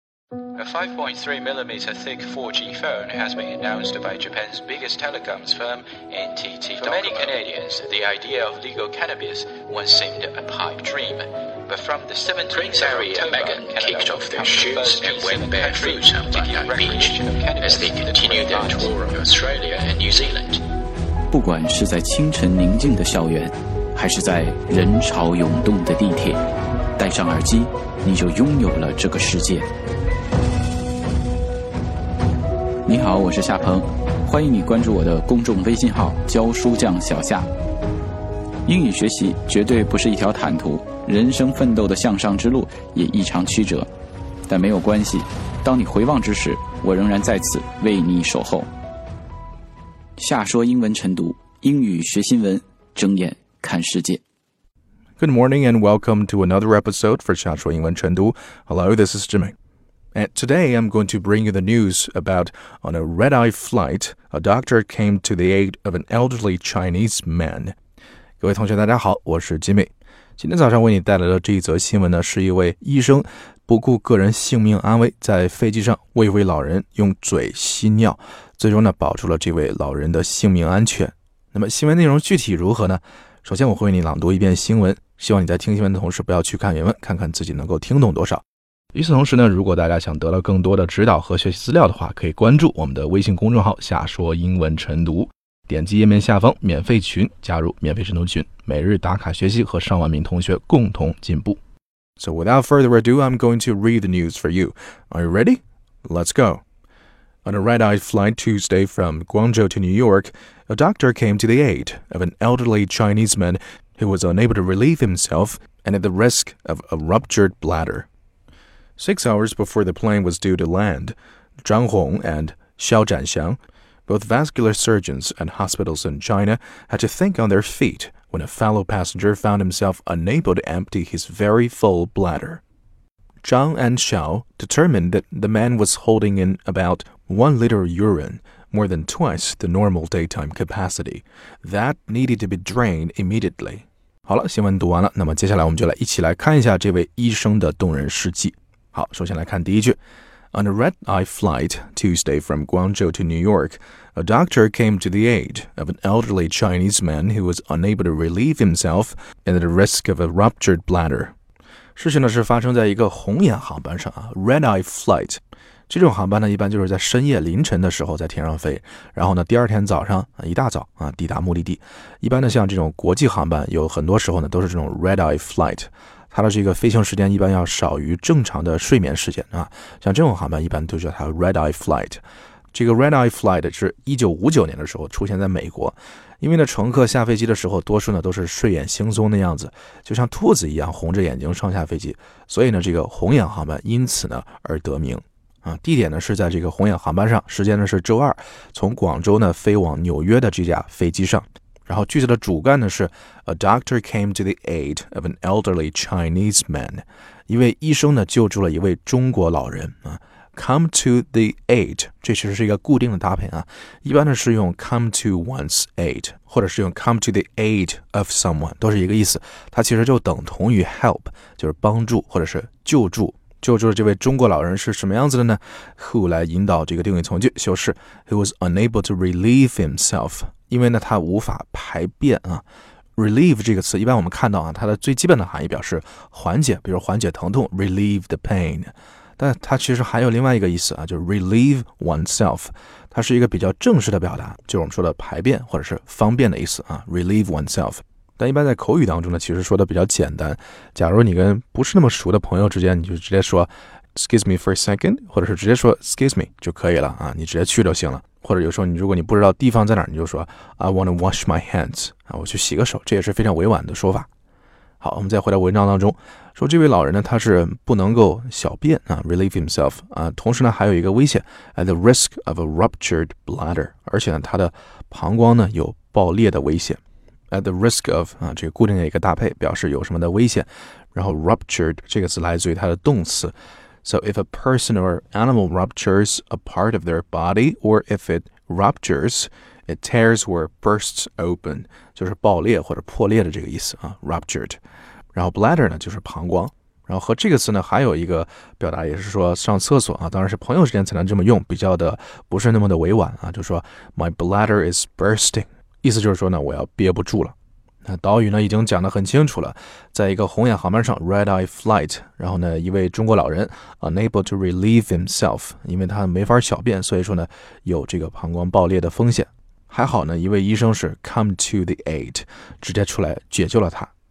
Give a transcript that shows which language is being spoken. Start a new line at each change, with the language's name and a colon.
English: A 5.3mm thick 4G phone has been announced by Japan's biggest telecoms firm, NTT Docomo. For many Canadians, the idea of legal cannabis once seemed a pipe dream. But from the 17th of October, Canada kicked off their shoes and went barefoot on the beach as they continued their tour of Australia and New Zealand.
Chinese: 不管是在清晨宁静的校园，还是在人潮涌动的地铁，戴上耳机，你就拥有了这个世界。你好，我是夏鹏，欢迎你关注我的公众微信号教书匠小夏。英语学习绝对不是一条坦途，人生奋斗的向上之路也异常曲折，但没有关系，当你回望之时，我仍然在此为你守候。夏说英文晨读，英语学新闻，睁眼看世界。
English: Good morning and welcome to another episode for 夏说英文晨读。 Hello, this is Jimmy. And today, I'm going to bring you the news about, on a red-eye flight, a doctor came to the aid of an elderly Chinese man.
Chinese: 各位同学大家好，我是 Jimmy。今天早上为你带来的这一则新闻呢，是一位医生不顾个人性命安危，在飞机上为一位老人用嘴吸尿，最终呢保住了这位老人的性命安全。那么新闻内容具体如何呢？首先我会为你朗读一遍新闻，希望你在听新闻的同时不要去看原文，看看自己能够听懂多少。与此同时呢，如果大家想得到更多的指导和学习资料的话，可以关注我们的微信公众号夏说英文晨读，点击页面下方免费群，加入免费晨读群，每日打卡学习和上万名同学共同进步。
English: So without further ado, I'm going to read the news for you. Are you ready? Let's go. On a red-eye flight Tuesday from Guangzhou to New York, a doctor came to the aid of an elderly Chinese man who was unable to relieve himself and at the risk of a ruptured bladder. 6 hours before the plane was due to land, Zhang Hong and Xiao Zhanxiang, both vascular surgeons at hospitals in China, had to think on their feet when a fellow passenger found himself unable to empty his very full bladder. Zhang and Xiao determined that the man was holding in about 1 liter urine, more than twice the normal daytime capacity. That needed to be drained immediately.
Chinese: 好了，新闻读完了，那么接下来我们就来一起来看一下这位医生的动人事迹。好，首先来看第一句。
English: On a red-eye flight Tuesday from Guangzhou to New York, a doctor came to the aid of an elderly Chinese man who was unable to relieve himself and at a risk of a ruptured bladder.
Chinese: 事情呢是发生在一个红眼航班上啊 ,red-eye flight. 这种航班呢一般就是在深夜凌晨的时候在天上飞，然后呢第二天早上一大早啊抵达目的地。一般呢像这种国际航班有很多时候呢都是这种 red-eye flight. 它的这个飞行时间一般要少于正常的睡眠时间啊，像这种航班一般都叫它 red eye flight。这个 red eye flight 是1959年的时候出现在美国，因为呢乘客下飞机的时候多数呢都是睡眼惺忪的样子，就像兔子一样红着眼睛上下飞机，所以呢这个红眼航班因此呢而得名啊。地点呢是在这个红眼航班上，时间呢是周二，从广州呢飞往纽约的这架飞机上。然后句子的主干呢是
English: A doctor came to the aid of an elderly Chinese man.
Chinese: 一位医生呢救助了一位中国老人、啊、
English: Come to the aid,
Chinese: 这其实是一个固定的搭配啊。一般呢是用
English: come to one's aid,
Chinese: 或者是用
English: come to the aid of someone,
Chinese: 都是一个意思。它其实就等同于 help, 就是帮助或者是救助。救助的这位中国老人是什么样子的呢？
English: Who
Chinese: 来引导这个定语从句，修饰
English: He was unable to relieve himself.
Chinese: 因为呢他无法排便啊。 relieve 这个词一般我们看到啊它的最基本的含义表示缓解，比如缓解疼痛
English: relieve the pain。
Chinese: 但它其实还有另外一个意思啊，就是
English: relieve oneself。
Chinese: 它是一个比较正式的表达，就是我们说的排便或者是方便的意思啊 ,relieve oneself。但一般在口语当中呢其实说的比较简单。假如你跟不是那么熟的朋友之间，你就直接说
English: excuse me for a second,
Chinese: 或者是直接说
English: excuse me
Chinese: 就可以了啊，你直接去就行了。或者有时候你如果你不知道地方在哪儿，你就说
English: I want to wash my hands、
Chinese: 啊、我去洗个手，这也是非常委婉的说法。好，我们再回到文章当中，说这位老人呢他是不能够小便啊 relieve himself 啊，同时呢还有一个危险
English: at the risk of a ruptured bladder,
Chinese: 而且呢他的膀胱呢有爆裂的危险 at the risk of 啊，这个固定的一个搭配表示有什么的危险，然后 ruptured 这个词来自于它的动词。
English: So if a person or animal ruptures a part of their body, or if it ruptures, it tears or bursts open,
Chinese: 就是爆裂或者破裂的这个意思啊
English: ,ruptured.
Chinese: 然后 bladder 呢就是膀胱。然后和这个词呢还有一个表达也是说上厕所啊，当然是朋友之间才能这么用，比较的不是那么的委婉啊，就说
English: My bladder is bursting，
Chinese: 意思就是说呢我要憋不住了。那导语呢已经讲得很清楚了，在一个红眼航班上 Red Eye Flight， 然后呢一位中国老人
English: Unable to relieve himself，
Chinese: 因为他没法小便，所以说呢有这个膀胱爆裂的风险，还好呢一位医生是
English: come to the aid，
Chinese: 直接出来解救了他。